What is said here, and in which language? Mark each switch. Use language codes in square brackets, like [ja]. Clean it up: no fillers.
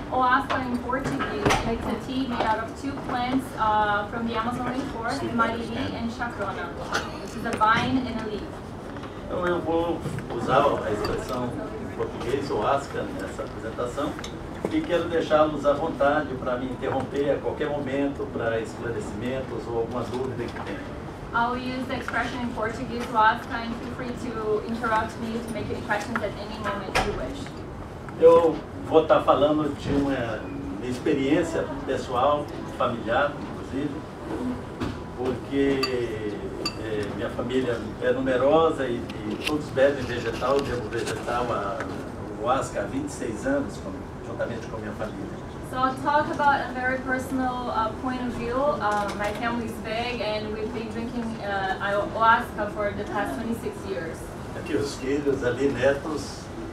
[en] Oasca in Portuguese makes a tea made out of two plants from the Amazon rainforest, the mariri and chacrona, which is a vine and a leaf. [pt] Então eu vou usar a expressão em português, oasca, nessa apresentação. E quero deixá-los à vontade para me interromper a qualquer momento para esclarecimentos ou alguma dúvida que tenha. [en] I'll use the expression in Portuguese, oasca, and feel free to interrupt me to make any questions at any moment you wish. [pt] Eu vou estar falando de uma experiência pessoal, familiar, inclusive, porque minha família é numerosa e todos bebem vegetal. Eu bebo vegetal, oasca, há 26 anos, com minha família. [en] So I'll talk about a very personal point of view. My family is big and we've been drinking ayahuasca for the past 26 years. [pt] Aqui os filhos, ali netos.